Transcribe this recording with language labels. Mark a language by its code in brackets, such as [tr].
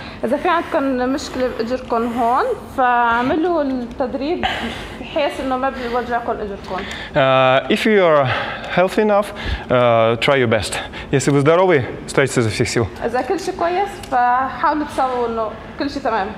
[ar] إذا في عندكم مشكلة بإجركم هون، فعملوا التدريب بحيث إنه ما بيوجعكم إجركم. [en] If you are healthy enough, try your best. [ru] Если вы здоровы, старайтесь изо всех сил. [ar] إذا كل شيء كويس، فحاولوا تسووا إنه كل شيء تمام.